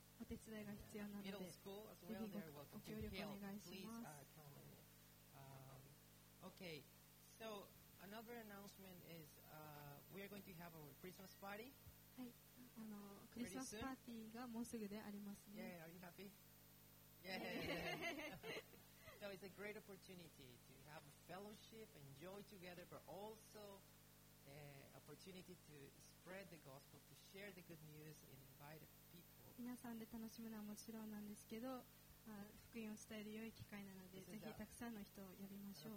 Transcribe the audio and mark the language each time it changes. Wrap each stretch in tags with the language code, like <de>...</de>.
<ja>お手伝いが必要なので、</ja> <en>middle school as well,</en> <ja>ぜひご協力お願いします。</ja> <en>Please, come and, okay, so another announcement is, we are going to have our Christmas party.</en> <ja>はい、クリスマスパーティーがもうすぐでありますね。</ja> <en>Yeah, are you happy? Yeah. So it's a great opportunity to have a fellowship, enjoy together, but also an opportunity to spread the gospel, to share the good news and invite people.</en> <ja>皆さんで楽しむのはもちろんなんですけど、福音を伝える良い機会なので、ぜひたくさんの人を呼びましょう。</ja>